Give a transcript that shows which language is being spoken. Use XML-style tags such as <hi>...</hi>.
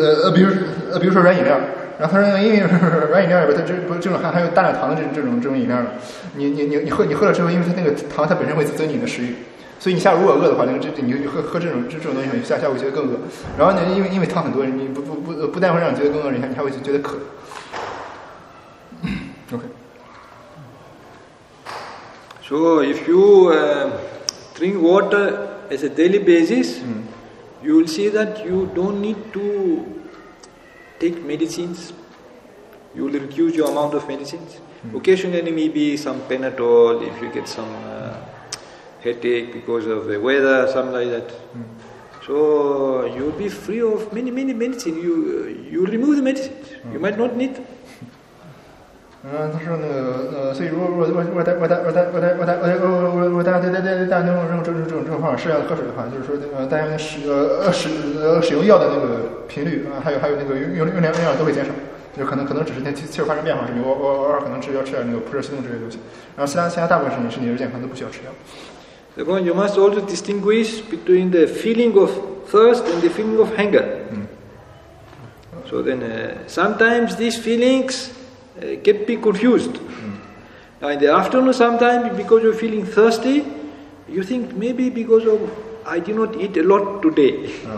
<zh>比如说软饮料，然后他说因为软饮料里边它这种含有大量糖的这种饮料，你喝了之后，因为它那个糖它本身会增进你的食欲，所以你下午如果饿的话，你喝这种东西，你下午觉得更饿，然后呢因为糖很多，你不但会让你觉得更饿，你还会觉得渴。</zh> <en>OK. So if you drink water as a daily basis. You will see that you don't need to take medicines. You will reduce your amount of medicines. Occasionally, maybe some Panadol if you get some headache because of the weather, something like that. So you will be free of many medicines. You remove the medicines. You might not need.</en> <zh>他说所以如果大家能用这种方法适量的喝水的话，就是说大家使用药的那个频率啊，还有那个用量都会减少，就可能只是那气候发生变化，是你偶尔可能只需要吃点那个普热西痛之类的东西，然后其他大部分身体是健康，都不需要吃药。</zh> <en>The point you must also distinguish between the feeling of thirst and the feeling of hunger. So then sometimes these feelings. Get be confused. Now in the afternoon, sometimes because you're feeling thirsty, you think maybe because of I did not eat a lot today.</en>